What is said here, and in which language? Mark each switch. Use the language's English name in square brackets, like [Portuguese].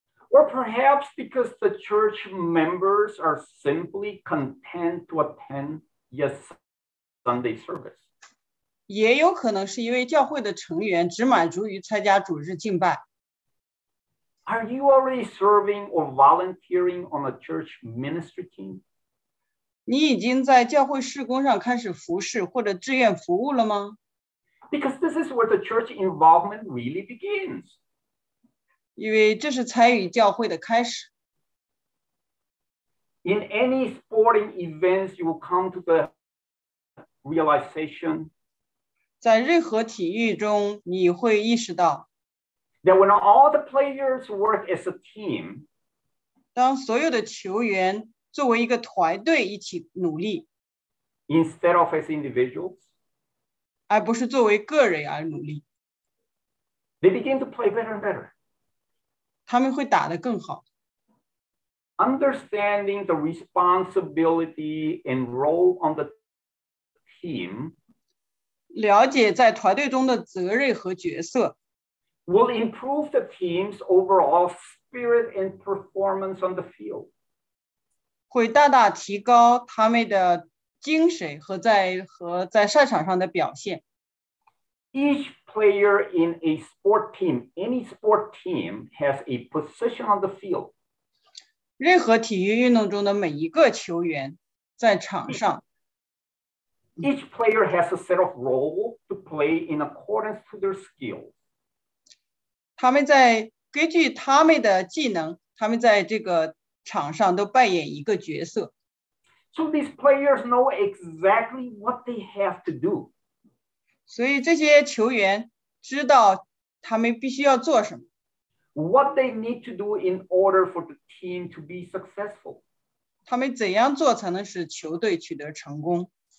[English] Or perhaps because the church members are simply content to attend yes Sunday service. [Chinese] 也有可能是因为教会的成员只满足于参加主日敬拜。 [English] Are you already serving or volunteering on a church ministry team? [Chinese] 你已经在教会事工上开始服侍或者志愿服务了吗？ [English] Because this is where the church involvement really begins. [Chinese] 因为这是参与教会的开始。 [English] In any sporting events, you will come to the realization. [Chinese] 在任何体育中，你会意识到。 [English] That when all the players work as a team, [Chinese] 当所有的球员作为一个团队一起努力 [English] ，instead of as individuals， [Chinese] 而不是作为个人而努力 [English] ，they begin to play better and better， [Chinese] 他们会打得更好。 [English] Understanding the responsibility and role on the team， [Chinese] 了解在团队中的责任和角色。 [English] Will improve the team's overall spirit and performance on the field. [Chinese] 会大大提高他们的精神和在赛场上的表现。 [English] Each player in a sport team, any sport team, has a position on the field. [Chinese] 任何体育运动中的每一个球员在场上。 [English] Each player has a set of roles to play in accordance to their skill. [Chinese] 他们在根据他们的技能，他们在这个场上都扮演一个角色。 [English] So these players know exactly what they have to do. [Chinese] 所以这些球员知道他们必须要做什么。 [English] What they need to do in order for the team to be successful. [Chinese] 他们怎样做才能使球队取得成功。